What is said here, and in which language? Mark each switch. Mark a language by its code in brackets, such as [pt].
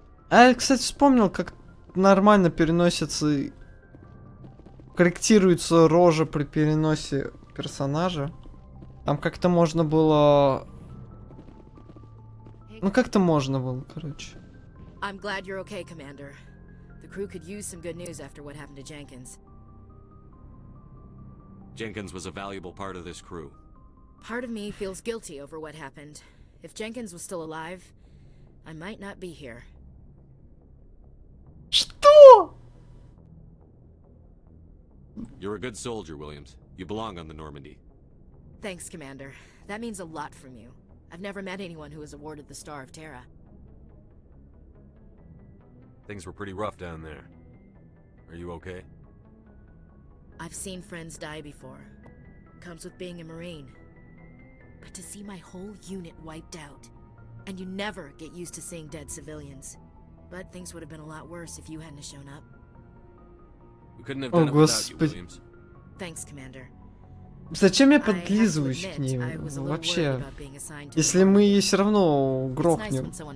[ru] А я, кстати, вспомнил, как нормально переносится. Корректируется рожа при переносе персонажа. Там как-то можно было... Ну, как-то можно было, короче. [en] I'm glad you're okay, Commander. The crew could use some good news after what happened to Jenkins. Jenkins was a valuable part of this crew. Part of me feels guilty over what happened. If Jenkins was still alive, I might not be here. [ru] Что? [en] You're a good soldier, Williams. You belong on the Normandy. Thanks, Commander. That means a lot from you. I've never met anyone who was awarded the Star of Terra. Things were pretty rough down there. Are you okay? I've seen friends die before. Comes with being a Marine. But to see my whole unit wiped out, and you never get used to seeing dead civilians. But things would have been a lot worse if you hadn't have shown up. We couldn't have done it without you, Williams. Thanks, Commander. [ru] Зачем я подлизываюсь к ним вообще? Если мы ей все равно грохнем.